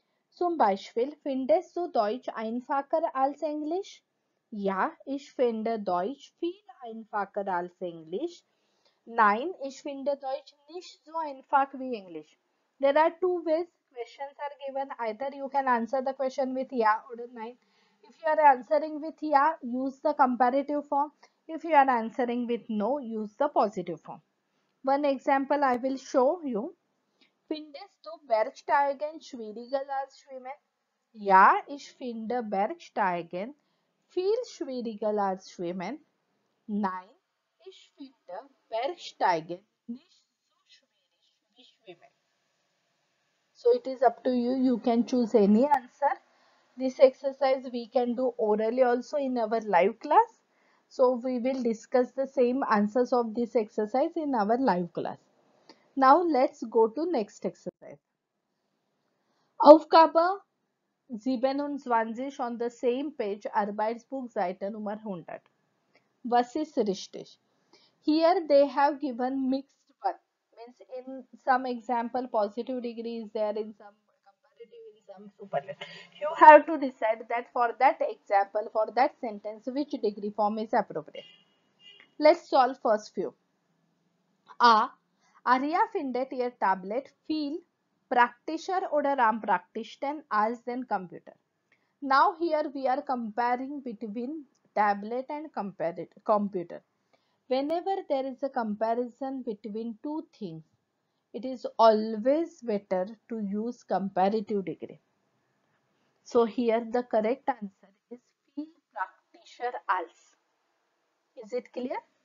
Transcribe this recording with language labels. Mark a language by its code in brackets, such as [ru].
[de] Zum Beispiel, findest du Deutsch einfacher als Englisch? Ja, ich finde Deutsch viel einfacher als Englisch. Nein, ich finde Deutsch nicht so einfach wie Englisch. [en] There are two ways questions are given. Either you can answer the question with ja or nein. If you are answering with ja, use the comparative form. If you are answering with no, use the positive form. One example I will show you. [de] Findest du Bergsteigen schwieriger als Schwimmen? Ja, ich finde Bergsteigen viel schwieriger als Schwimmen. Nein, ich finde Bergsteigen nicht so schwierig wie Schwimmen. [en] So it is up to you. You can choose any answer. This exercise we can do orally also in our live class. So we will discuss the same answers of this exercise in our live class. Now let's go to next exercise. [de] Aufgabe 27 [en] on the same page, [de] Arbeitsbuch Seite Nummer 100. Was ist richtig? [en] Here they have given mixed one. Means in some example positive degree is there, in some comparative, in some superlative. You have to decide that for that example, for that sentence, which degree form is appropriate. Let's solve first few. A. [de] Arya findet ihr Tablet viel praktischer oder am praktischsten als den Computer. [en] Now here we are comparing between tablet and computer. Whenever there is a comparison between two things, it is always better to use comparative degree. So here the correct answer is [de] viel praktischer als. [en] Is it clear?